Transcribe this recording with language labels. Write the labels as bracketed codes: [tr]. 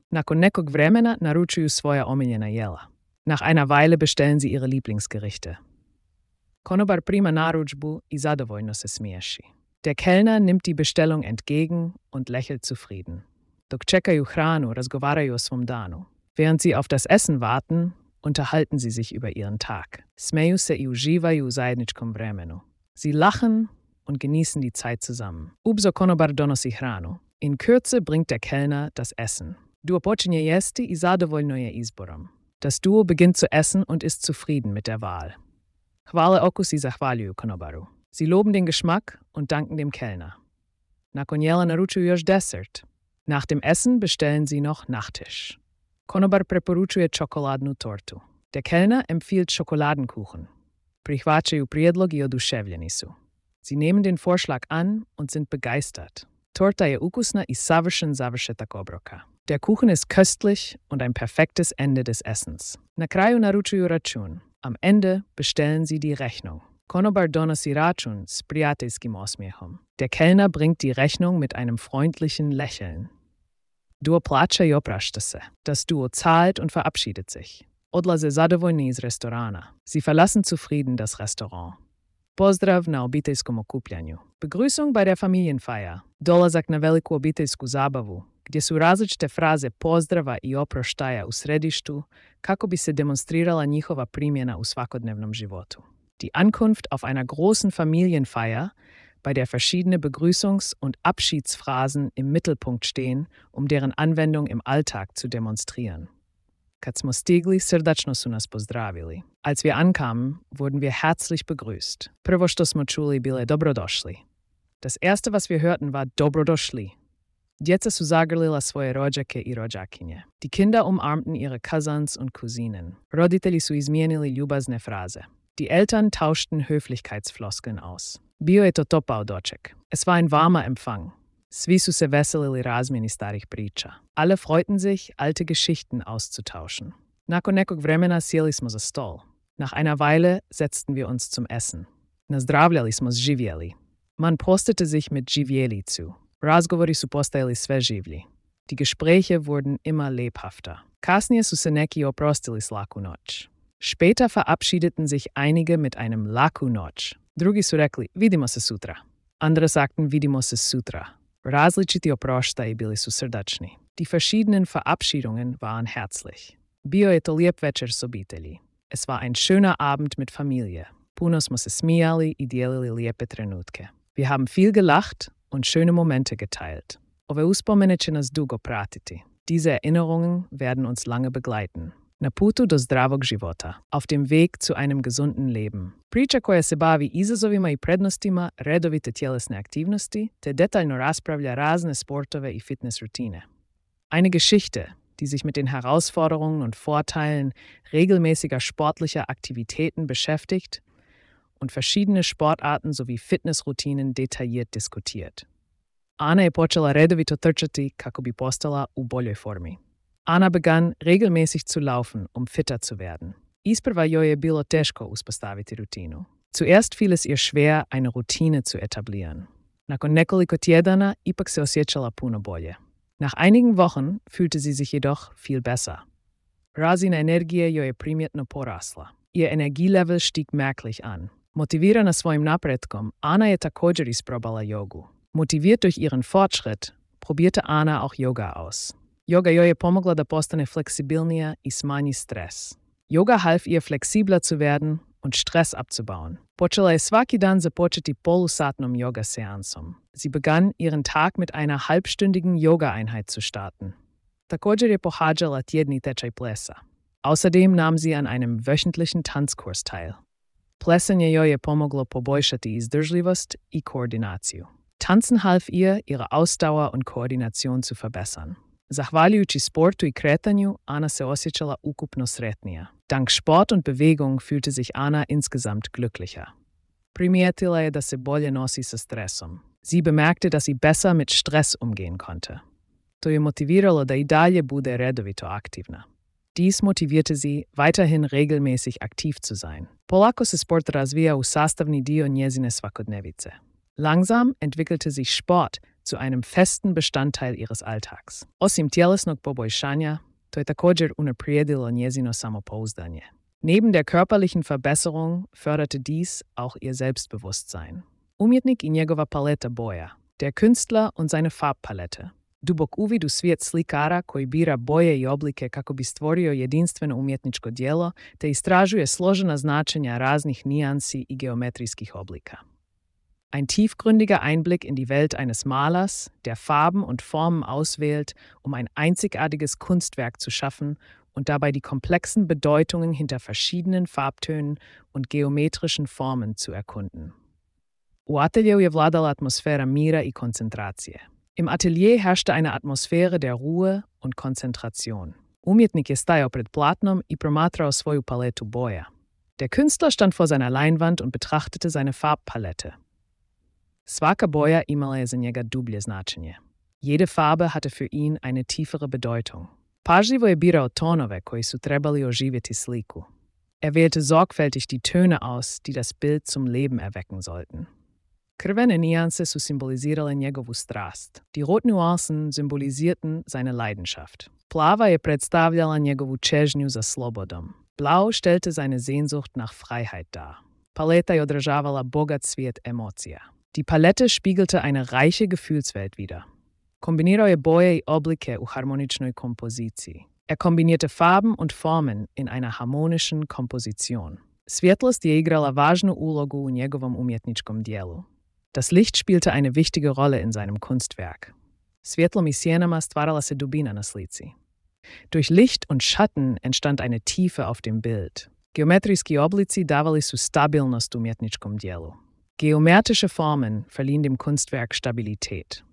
[hr] Nakon nekog vremena naručuju svoja omiljena jela. [de] Nach einer Weile bestellen sie ihre Lieblingsgerichte. [hr] Konobar prima naručbu i zadovoljno se smiješi. [de] Der Kellner nimmt die Bestellung entgegen und lächelt zufrieden. [hr] Dok čekaju hranu, razgovaraju o svom danu. [de] Während sie auf das Essen warten, unterhalten sie sich über ihren Tag. [hr] Smeju se i uživaju u zajedničkom vremenu. [de] Sie lachen und genießen die Zeit zusammen. [hr] Ubzo konobar donosi hranu. [de] In Kürze bringt der Kellner das Essen. [hr] Duo počinje jesti i zadovoljno je izborom. [de] Das Duo beginnt zu essen und ist zufrieden mit der Wahl. [hr] Hvale oku si zahvaljuju konobaru. [de] Sie loben den Geschmack und danken dem Kellner. [hr] Nakon jela naručuju još desert. [de] Nach dem Essen bestellen sie noch Nachtisch. [hr] Konobar preporučuje čokoladnu tortu. [de] Der Kellner empfiehlt Schokoladenkuchen. [hr] Prihvaćaju prijedlog i oduševljeni su. [de] Sie nehmen den Vorschlag an und sind begeistert. [hr] Torta je ukusna i savršen završetak obroka. [de] Der Kuchen ist köstlich und ein perfektes Ende des Essens. [hr] Na kraju naručuju račun. [de] Am Ende bestellen sie die Rechnung. [hr] Konobar donosi račun s prijateljskim osmijehom. [de] Der Kellner bringt die Rechnung mit einem freundlichen Lächeln. [hr] Duo plaća i oprašta se. [de] Das Duo zahlt und verabschiedet sich. [hr] Odlaze zadovoljni iz restorana. [de] Sie verlassen zufrieden das Restaurant. [hr] Pozdrav na obiteljskom okupljanju. [de] Begrüßung bei der Familienfeier. [hr] Dolazak na veliku obiteljsku zabavu, gdje su različite fraze pozdrava i oproštaja u središtu, kako bi se demonstrirala njihova primjena u svakodnevnom životu. [de] Die Ankunft auf einer großen Familienfeier, bei der verschiedene Begrüßungs- und Abschiedsphrasen im Mittelpunkt stehen, um deren Anwendung im Alltag zu demonstrieren. [hr] Kad smo stigli, srdačno su nas pozdravili. [de] Als wir ankamen, wurden wir herzlich begrüßt. [hr] Prvo što smo čuli bile dobrodošli. [de] Das erste, was wir hörten, war dobrodošli. [hr] Djeca su zagrlila svoje rođake i rođakinje. [de] Die Kinder umarmten ihre Cousins und Cousinen. [hr] Roditelji su izmijenili ljubazne fraze. [de] Die Eltern tauschten Höflichkeitsfloskeln aus. [hr] Bio je to topao doček. [de] Es war ein warmer Empfang. [hr] Svi su se veselili razmjeni starih priča. [de] Alle freuten sich, alte Geschichten auszutauschen. [hr] Nakon nekog vremena sjeli smo za stol. [de] Nach einer Weile setzten wir uns zum Essen. [hr] Nazdravljali smo s živjeli. [de] Man postete sich mit živjeli zu. [hr] Razgovori su postajali sve življi. [de] Die Gespräche wurden immer lebhafter. [hr] Kasnije su se neki oprostili s laku noć. [de] Später verabschiedeten sich einige mit einem laku noć. [hr] Drugi su rekli, vidimo se sutra. [de] Andere sagten, [hr] vidimo se sutra. Različiti oproštaji bili su srdačni. [de] Die verschiedenen Verabschiedungen waren herzlich. [hr] Bio je to lijep večer s obitelji. [de] Es war ein schöner Abend mit Familie. [hr] Puno smo se smijali i dijelili lijepe trenutke. [de] Wir haben viel gelacht und schöne Momente geteilt. [hr] Ove uspomene će nas dugo pratiti. [de] Diese Erinnerungen werden uns lange begleiten. [hr] Na putu do zdravog života. [de] Auf dem Weg zu einem gesunden Leben. [hr] Priča koja se bavi izazovima i prednostima redovite tjelesne aktivnosti te detaljno raspravlja razne sportove i fitness rutine. [de] Eine Geschichte, die sich mit den Herausforderungen und Vorteilen regelmäßiger sportlicher Aktivitäten beschäftigt und verschiedene Sportarten sowie Fitnessroutinen detailliert diskutiert. [hr] Ana je počela redovito trčati kako bi postala u boljoj formi. [de] Ana begann, regelmäßig zu laufen, um fitter zu werden. [hr] Isprva joj je bilo teško uspostaviti rutinu. [de] Zuerst fiel es ihr schwer, eine Routine zu etablieren. [hr] Nakon nekoliko tjedana ipak se osjećala puno bolje. [de] Nach einigen Wochen fühlte sie sich jedoch viel besser. [hr] Razina energije joj je primjetno porasla. [de] Ihr Energielevel stieg merklich an. [hr] Motivirana svojim napretkom, Ana je također isprobala jogu. [de] Motiviert durch ihren Fortschritt, probierte Ana auch Yoga aus. [hr] Yoga joj je pomogla da postane fleksibilnija i smanji stres. [de] Yoga half ihr flexibler zu werden und Stress abzubauen. [hr] Počela je svaki dan započeti polusatnom yoga-seansom. [de] Sie begann, ihren Tag mit einer halbstündigen Yoga-Einheit zu starten. [hr] Također je pohađala tjedni tečaj plesa. [de] Außerdem nahm sie an einem wöchentlichen Tanzkurs teil. [hr] Plesanje joj je pomoglo poboljšati izdržljivost i koordinaciju. [de] Tanzen half ihr, ihre Ausdauer und Koordination zu verbessern. [hr] Zahvaljujući sportu i kretanju, Ana se osjećala ukupno sretnija. [de] Dank Sport und Bewegung fühlte sich Ana insgesamt glücklicher. [hr] Primijetila je da se bolje nosi sa stresom. [de] Sie bemerkte, dass sie besser mit Stress umgehen konnte. [hr] To je motiviralo da i dalje bude redovito aktivna. [de] Dies motivierte sie, weiterhin regelmäßig aktiv zu sein. [hr] Polako se sport razvija u sastavni dio njezine svakodnevice. [de] Langsam entwickelte sich Sport zu einem festen Bestandteil ihres Alltags. [hr] Osim tjelesnog poboljšanja, to je također unaprijedilo njezino samopouzdanje. [de] Neben der körperlichen Verbesserung förderte dies auch ihr Selbstbewusstsein. [hr] Umjetnik i njegova paleta boja. [de] Der Künstler und seine Farbpalette. [hr] Dubok uvid u svijet slikara koji bira boje i oblike kako bi stvorio jedinstveno umjetničko djelo te istražuje složena značenja raznih nijansi i geometrijskih oblika. [de] Ein tiefgründiger Einblick in die Welt eines Malers, der Farben und Formen auswählt, um ein einzigartiges Kunstwerk zu schaffen und dabei die komplexen Bedeutungen hinter verschiedenen Farbtönen und geometrischen Formen zu erkunden. [hr] U atelieru je vladala atmosfera mira i koncentracije. [de] Im Atelier herrschte eine Atmosphäre der Ruhe und Konzentration. [hr] Umjetnik je stajao pred platnom i promatrao svoju paletu boja. [de] Der Künstler stand vor seiner Leinwand und betrachtete seine Farbpalette. [hr] Svaka boja imala je za njega dublje značenje. [de] Jede farbe hatte für ihn eine tiefere Bedeutung. [hr] Pažljivo je birao tonove koji su trebali oživjeti sliku. [de] Wählte sorgfältig die Töne aus, die das Bild zum Leben erwecken sollten. [hr] Krvene nijanse su simbolizirale njegovu strast. [de] Die roten Nuancen symbolisierten seine Leidenschaft. [hr] Plava je predstavljala njegovu čežnju za slobodom. [de] Blau stellte seine Sehnsucht nach Freiheit dar. [hr] Paleta je odražavala bogat svijet emocija. [de] Die Palette spiegelte eine reiche Gefühlswelt wider. [hr] Kombinirao je boje i oblike u harmoničnoj kompoziciji. [de] Kombinierte Farben und Formen in einer harmonischen Komposition. [hr] Svjetlost je igrala važnu ulogu u njegovom umjetničkom dijelu. [de] Das Licht spielte eine wichtige Rolle in seinem Kunstwerk. [hr] Svjetlom i sjenama stvarala se dubina na slici. [de] Durch Licht und Schatten entstand eine Tiefe auf dem Bild. [hr] Geometrijski oblici davali su stabilnost umjetničkom dijelu. [de] Geometrische Formen verliehen dem Kunstwerk Stabilität.